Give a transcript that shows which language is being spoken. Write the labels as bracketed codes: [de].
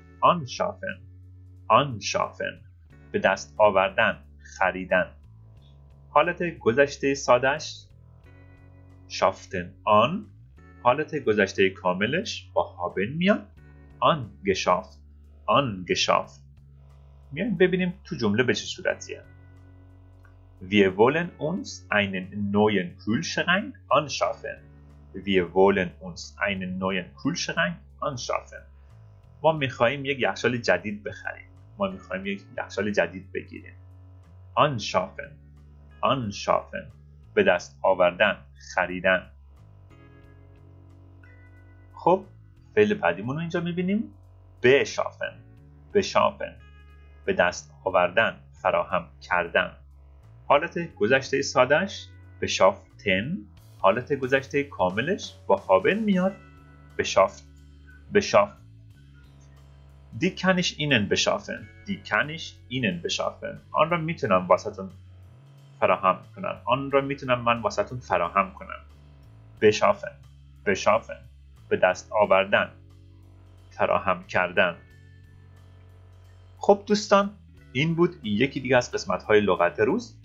[de] anschaffen. Anschaffen. [fa] به دست آوردن. خریدن. حالت گذشته سادش [de] schafften an. [fa] حالت گذشته کاملش با haben میاد. [de] Angeschafft. Angeschafft. [fa] میایم ببینیم تو جمله به چه صورتیه. [de] Wir wollen uns einen neuen Kühlschrank anschaffen. Wir wollen uns einen neuen Kühlschrank anschaffen. [fa] ما میخواییم یک یخچال جدید بخریم. ما میخواییم یک یخچال جدید بگیریم. [de] Anschaffen. Anschaffen. [fa] به دست آوردن. خریدن. خب فعل بعدیمون رو اینجا میبینیم. [de] Beschaffen. Beschaffen. [fa] به دست آوردن. فراهم کردن. حالت گذشته سادش beschafften. حالت گذشته کاملش با haben میاد beschafft. [de] beschafft. Die kann ich Ihnen beschaffen. Die kann ich Ihnen beschaffen. [fa] آن را میتونم واسهتون فراهم کنم. آن را میتونم من واسهتون فراهم کنم. [de] beschaffen. beschaffen. [fa] به دست آوردن. فراهم کردن. خب دوستان، این بود یکی دیگه از قسمت‌های لغت روز.